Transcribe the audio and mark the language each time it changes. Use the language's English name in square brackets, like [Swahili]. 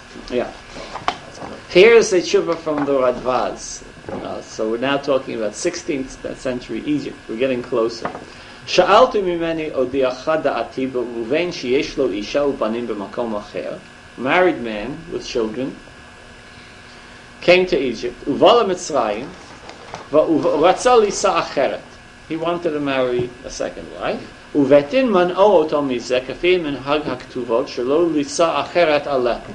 [English] Yeah. Here's a tshuva from the Radvaz. So we're now talking about 16th century Egypt. We're getting closer. [Hebrew] שאלתי ממני עוד יחד דעתי ברובן שיש לו אישה ובנים במקום אחר, [English] married man with children, came to Egypt, [Hebrew] ובא למצרים, ורצה לישא אחרת. [English] He wanted to marry a second wife. [Hebrew] ובתין מנעו אותו מזה, כפי מנהג הכתובות, שלא לישא אחרת עליה.